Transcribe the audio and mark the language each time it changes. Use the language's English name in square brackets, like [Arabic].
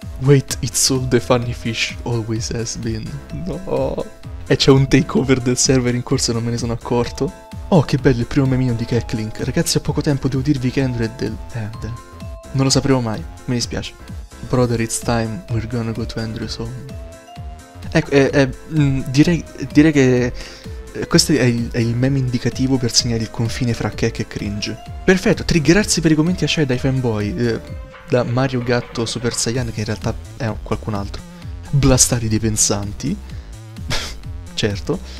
[English] Wait, it's all the funny fish always has been. No. [Italian] E c'è un takeover del server in corso e non me ne sono accorto. Oh, che bello, il primo memino di Keklink. Ragazzi, ho poco tempo, devo dirvi che Andrew è del... Non lo sapremo mai, mi dispiace. [English] Brother, it's time, we're gonna go to Andrew's home. [Italian] Ecco, direi che questo è il meme indicativo per segnare il confine fra cake e cringe. Perfetto, triggerarsi per i commenti acerbi dai fanboy, da Mario Gatto Super Saiyan, che in realtà è qualcun altro. Blastare dei pensanti. Certo.